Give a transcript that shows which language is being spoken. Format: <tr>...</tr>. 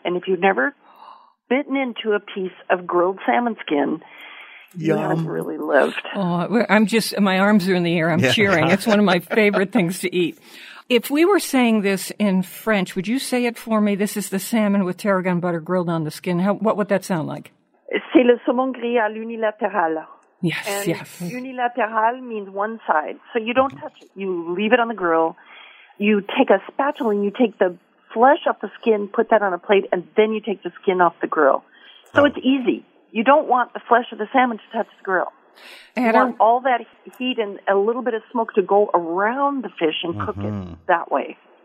<en>And if you've never bitten into a piece of grilled salmon skin, Yum. You haven't really lived. Oh, I'm just, my arms are in the air. I'm cheering. It's one of my favorite things to eat. If we were saying this in French, would you say it for me? This is the salmon with tarragon butter grilled on the skin. What would that sound like?</en> <fr>C'est le saumon gris à l'unilatéral.</fr> <en>Yes, and yes. Unilatéral means one side. So you don't touch it. You leave it on the grill. You take a spatula and you take the flesh off the skin, put that on a plate, and then you take the skin off the grill. So it's easy. You don't want the flesh of the salmon to touch the grill. And you want all that heat and a little bit of smoke to go around the fish and cook it that way.</en>